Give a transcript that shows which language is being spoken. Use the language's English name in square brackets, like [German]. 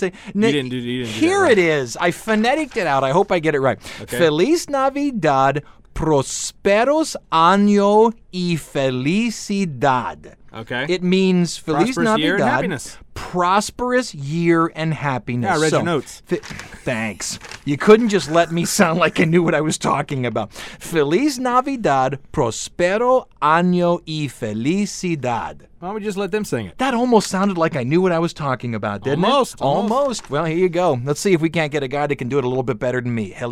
[English] Say, you didn't do that right. It is. I phoneticked it out. I hope I get it right. Okay. [Spanish] Feliz Navidad. Prosperos año y felicidad. [English] Okay. It means [Spanish] Feliz Navidad. [English] Prosperous year and happiness. Prosperous year and happiness. Yeah, I read your notes. Thanks. You couldn't just let me sound like I knew what I was talking about. [Spanish] Feliz Navidad, prospero año y felicidad. [English] Why don't we just let them sing it? That almost sounded like I knew what I was talking about, didn't almost, it? Almost. Well, here you go. Let's see if we can't get a guy that can do it a little bit better than me.